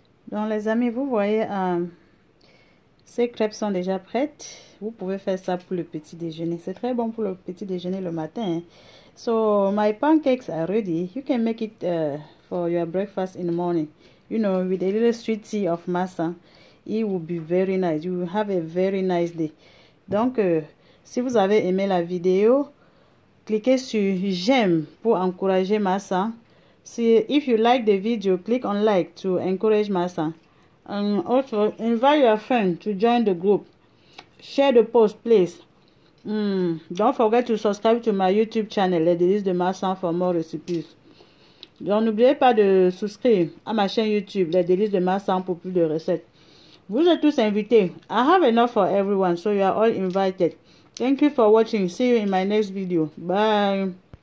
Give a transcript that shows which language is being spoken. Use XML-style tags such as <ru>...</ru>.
<fr>Donc les amis, vous voyez, ces crêpes sont déjà prêtes. Vous pouvez faire ça pour le petit déjeuner. C'est très bon pour le petit déjeuner le matin.</fr> <en>So, my pancakes are ready. You can make it for your breakfast in the morning. You know, with a little sweet tea of masa, it will be very nice. You will have a very nice day.</en> <fr>Donc, si vous avez aimé la vidéo, cliquez sur j'aime pour encourager masa.</fr> <en>Si, if you like the video, click on like to encourage masa. And also, invite your friend to join the group. Share the post, please. Don't forget to subscribe to my YouTube channel, Les Délices de Massan, for more recipes.</en> <fr>Donc, n'oubliez pas de souscrire à ma chaîne YouTube, Les Délices de Massan, pour plus de recettes. Vous êtes tous invités.</fr> <en>I have enough for everyone, so you are all invited. Thank you for watching. See you in my next video. Bye.</en>